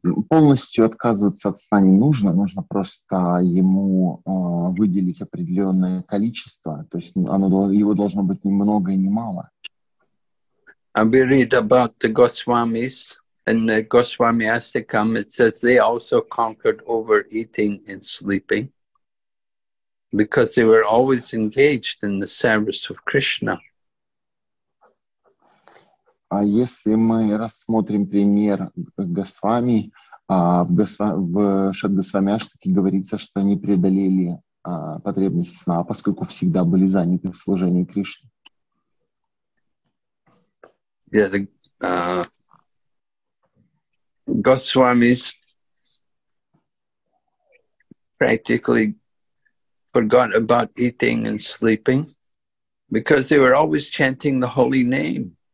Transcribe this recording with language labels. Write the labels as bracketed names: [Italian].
[Russian] Полностью отказываться от сна не нужно, нужно просто ему выделить определенное количество, то есть его должно быть ни много и ни мало. [English] And we read about the Goswamis, and the Goswami Astakam, it says they also conquered overeating and sleeping, because they were always engaged in the service of Krishna. [Russian] А если мы рассмотрим пример Госвами, в Шадгасвами Аштаке говорится, что они преодолели потребность сна, поскольку всегда были заняты в служении Кришне. [English] Yeah, Госвамис practically forgot about eating and sleeping, because they were always chanting the holy name.